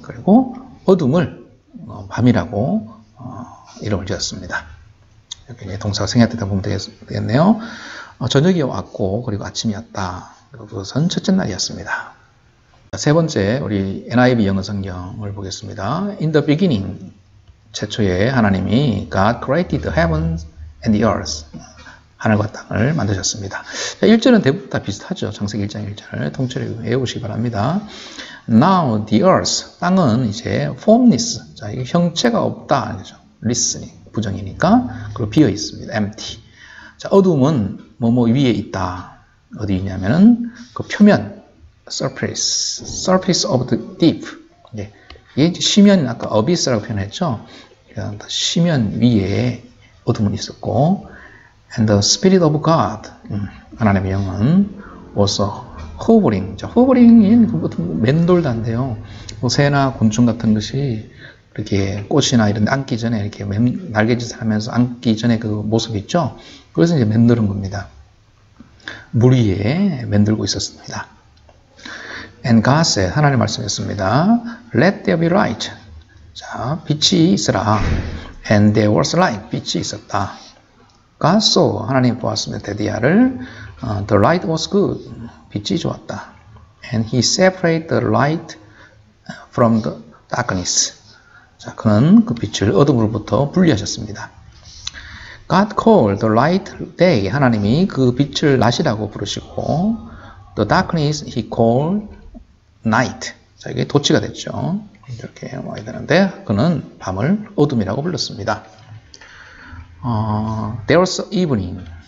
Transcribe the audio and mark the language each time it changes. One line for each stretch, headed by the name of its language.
Korean: 그리고 어둠을 밤이라고 이름을 지었습니다. 이렇게 이제 동사가 생략되다 보면 되겠네요. 저녁이 왔고, 그리고 아침이었다. 그리고 그것은 첫째 날이었습니다. 세 번째, 우리 NIV 영어 성경을 보겠습니다.
English: In the beginning,
Korean: 최초에 하나님이
English: God created the heavens and the earth.
Korean: 하늘과 땅을 만드셨습니다. 1절은 대부분 다 비슷하죠. 창세기 1장 1절을 통째로 외우시기 바랍니다.
English: Now the earth,
Korean: 땅은 이제 formless, 자, 이게 형체가 없다. 그렇죠?
English: listening,
Korean: 부정이니까. 그리고 비어 있습니다. empty. 자, 어둠은 뭐뭐 위에 있다. 어디 있냐면 그 표면,
English: surface of the deep.
Korean: 예. 이게 이제 심연, 아까 abyss라고 표현했죠. 그러니까 심연 위에 어둠은 있었고,
English: And the spirit of God,
Korean: 하나님의 영은
English: was hovering.
Korean: 자, hovering인 맴돌단데요. 뭐 새나 곤충 같은 것이 이렇게 꽃이나 이런 데 앉기 전에 이렇게 날개짓을 하면서 앉기 전에 그 모습 있죠. 그래서 이제 맴돌은 겁니다. 물 위에 맴돌고 있었습니다.
English: And God said,
Korean: 하나님 말씀했습니다.
English: Let there be light.
Korean: 자, 빛이 있으라.
English: And there was light.
Korean: 빛이 있었다.
English: God saw,
Korean: 하나님 보았습니다.
English: 데디아를, the light was good.
Korean: 빛이 좋았다.
English: And he separated the light from the darkness.
Korean: 자, 그는 그 빛을 어둠으로부터 분리하셨습니다.
English: God called the light day.
Korean: 하나님이 그 빛을 낮이라고 부르시고,
English: the darkness he called night.
Korean: 자, 이게 도치가 됐죠. 이렇게 와야 되는데, 그는 밤을 어둠이라고 불렀습니다.
English: There was evening.